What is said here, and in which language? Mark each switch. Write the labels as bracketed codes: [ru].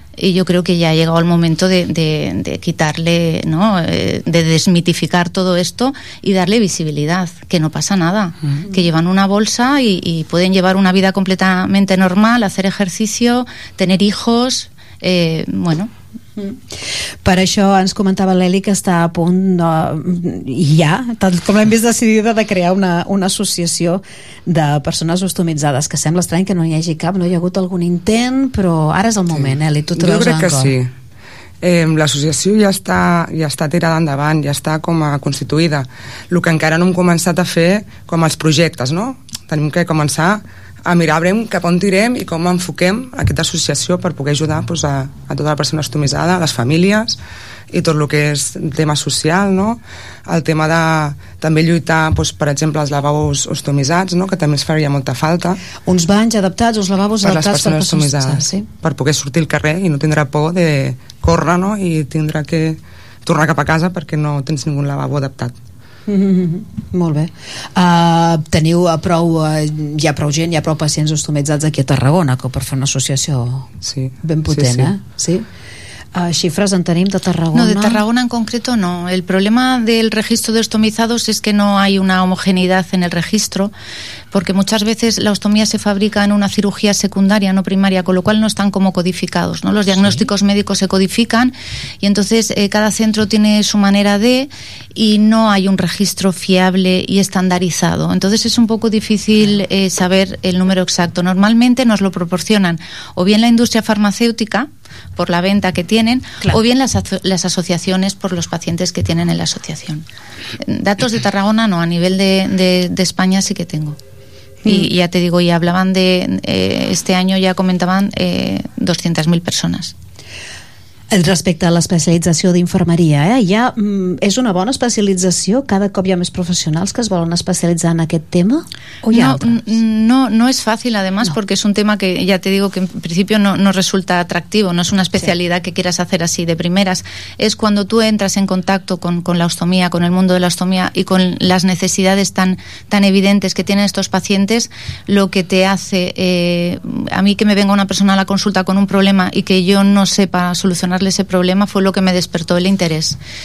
[es] y yo creo que ya ha llegado el momento de quitarle, ¿no?, de desmitificar todo esto y darle visibilidad, que no pasa nada, que llevan una bolsa y pueden llevar una vida completamente normal, hacer ejercicio, tener hijos, bueno... [ca] Per això ens comentava l'Eli que està a punt ja, tant com l'hem vist decidida de crear una associació de persones ostomitzades, que sembla estrany que no hi hagi cap, no hi ha hagut algun intent, però ara és el moment, sí. Eli, tu jo crec que sí, l'associació ja està tirada endavant, ja està com a constituïda. El que encara no hem començat a fer com els projectes, no? Tenim que començar a mirar cap on tirem i com enfoquem aquesta associació per poder ajudar, doncs, a tota la persona ostomitzada, a les famílies i tot el que és el tema social, no? El tema de també lluitar, doncs, per exemple, els lavabos ostomitzats, no?, que també es faria molta falta. Uns banys adaptats, uns lavabos per adaptats les persones ostomitzades, sí. Per poder sortir al carrer i no tindre por de córrer, no?, i tindre que tornar cap a casa perquè no tens ningú lavabo adaptat. Molt bé. Teniu prou gent, hi ha prou pacients ostomitzats aquí a Tarragona que per fer una associació sí. Ben potent, sí, sí. Sí? ¿Xifres en tenim de Tarragona? [es] No, de Tarragona en concreto no. El problema del registro de ostomizados es que no hay una homogeneidad en el registro, porque muchas veces la ostomía se fabrica en una cirugía secundaria, no primaria, con lo cual no están como codificados, ¿no? Los diagnósticos sí. Médicos se codifican y entonces cada centro tiene su manera de y no hay un registro fiable y estandarizado. Entonces es un poco difícil saber el número exacto. Normalmente nos lo proporcionan o bien la industria farmacéutica, por la venta que tienen, claro. O bien las asociaciones por los pacientes que tienen en la asociación. Datos de Tarragona no, a nivel de España sí que tengo. Y ya te digo, y hablaban de este año ya comentaban 200.000 personas. [ca] Respecte a l'especialització d'infermeria, és una bona especialització? Cada cop hi ha més professionals que es volen especialitzar en aquest tema? O hi ha altres? No és fàcil, además, perquè és un tema que, ja te digo, que [es] en principio no resulta atractivo, [ca] no és una especialitat que [es] quieras hacer así de primeras. [ca] És quan tu entres en contacte [es] con la ostomia, con el mundo de la ostomia i con les necessitats tan evidentes que tienen estos pacientes, lo que te hace, a mí que me venga una persona a la consulta con un problema y que yo no sepa solucionarle ese problema, fue lo que me despertó el interés.